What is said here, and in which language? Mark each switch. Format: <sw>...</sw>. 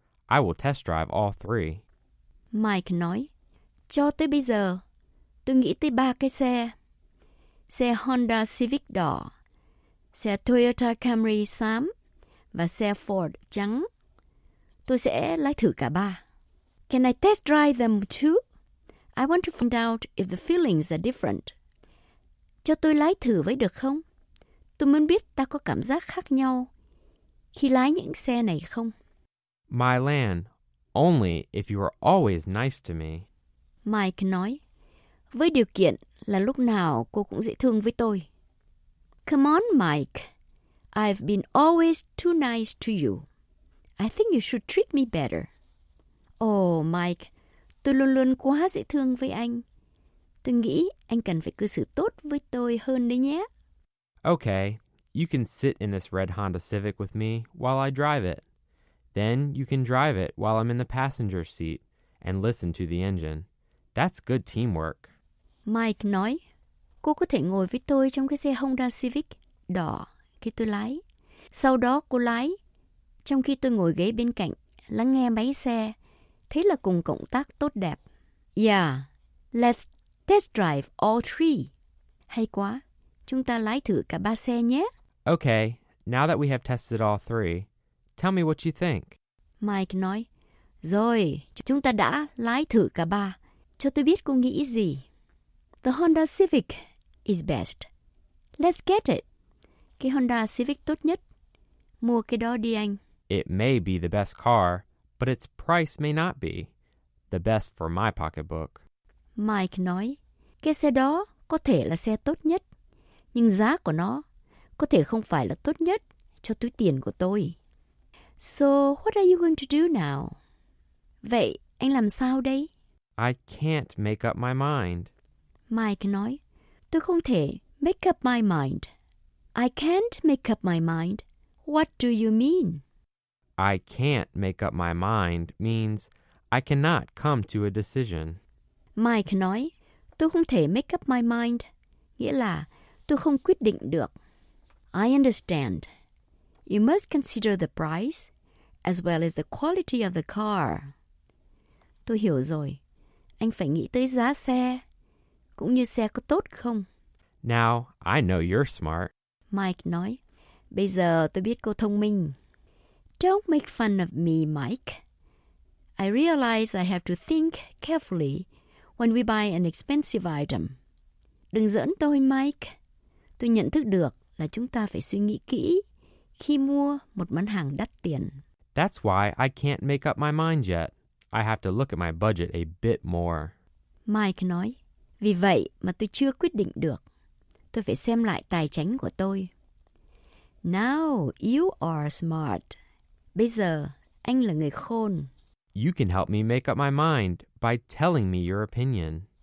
<en>I will test drive all three.</en> <vi>Mike nói, cho tới bây giờ, tôi nghĩ tới ba cái xe. Xe Honda Civic đỏ, xe Toyota Camry xám, và xe Ford trắng. Tôi sẽ lái thử cả ba.</vi> <en>Can I test drive them too? I want to find out if the feelings are different.</en> <vi>Cho tôi lái thử với được không? Tôi muốn biết ta có cảm giác khác nhau khi lái những xe này không?</vi> <en>My land, only if you are always nice to me.</en> <vi>Mike nói, với điều kiện là lúc nào cô cũng dễ thương với tôi.</vi> <en>Come on, Mike. I've been always too nice to you. I think you should treat me better.</en> <vi>Oh, Mike, tôi luôn luôn quá dễ thương với anh. Tôi nghĩ anh cần phải cư xử tốt với tôi hơn đấy nhé.</vi> <en>Okay, you can sit in this red Honda Civic with me while I drive it. Then you can drive it while I'm in the passenger seat and listen to the engine. That's good teamwork.</en> <vi>Mike nói, cô có thể ngồi với tôi trong cái xe Honda Civic đỏ khi tôi lái. Sau đó cô lái, trong khi tôi ngồi ghế bên cạnh, lắng nghe máy xe. Thế là cùng cộng tác tốt đẹp.</vi> <en>Yeah, let's test drive all three.</en> <vi>Hay quá. Chúng ta lái thử cả ba xe nhé.</vi> <en>Okay, now that we have tested all three, tell me what you think.</en> <vi>Mike nói, rồi, chúng ta đã lái thử cả ba. Cho tôi biết cô nghĩ gì.</vi> <en>The Honda Civic is best. Let's get it.</en> <vi>Cái Honda Civic tốt nhất. Mua cái đó đi anh.</vi> <en>It may be the best car, but its price may not be the best for my pocketbook.</en> <vi>Mike nói, cái xe đó có thể là xe tốt nhất. Nhưng giá của nó có thể không phải là tốt nhất cho túi tiền của tôi.</vi> <en>So, what are you going to do now?</en> <vi>Vậy, anh làm sao đây?</vi> <en>I can't make up my mind.</en> <vi>Mike nói, tôi không thể</vi> <en>make up my mind. I can't make up my mind. What do you mean? I can't make up my mind means I cannot come to a decision.</en> <vi>Mike nói, tôi không thể</vi> <en>make up my mind.</en> <vi>Nghĩa là, tôi không quyết định được.</vi> <en>I understand. You must consider the price as well as the quality of the car.</en> <vi>Tôi hiểu rồi. Anh phải nghĩ tới giá xe, cũng như xe có tốt không.</vi> <en>Now, I know you're smart.</en> <vi>Mike nói, bây giờ tôi biết cô thông minh.</vi> <en>Don't make fun of me, Mike. I realize I have to think carefully when we buy an expensive item.</en> <vi>Đừng giỡn tôi, Mike. Tôi nhận thức được là chúng ta phải suy nghĩ kỹ khi mua một món hàng đắt tiền.</vi> <en>That's why I can't make up my mind yet. I have to look at my budget a bit more.</en> <vi>Mike nói, vì vậy mà tôi chưa quyết định được. Tôi phải xem lại tài chính của tôi.</vi> <en>Now you are smart.</en> <vi>Bây giờ, anh là người khôn.</vi> <en>You can help me make up my mind by telling me your opinion.</en>